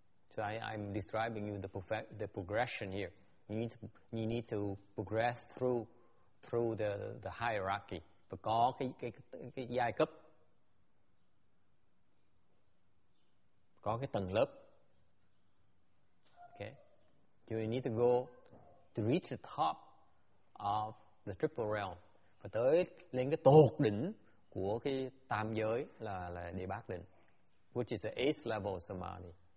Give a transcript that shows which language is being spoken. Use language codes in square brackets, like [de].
[en] So I'm describing you the progression here. You need to progress through the hierarchy. [vi] Phải có cái giai cấp, có cái tầng lớp. [en] Okay. So you need to go to reach the top of the triple realm. [vi] Phải tới lên cái tột đỉnh của cái tam giới là địa bát định, [en] which is the eighth level of samadhi.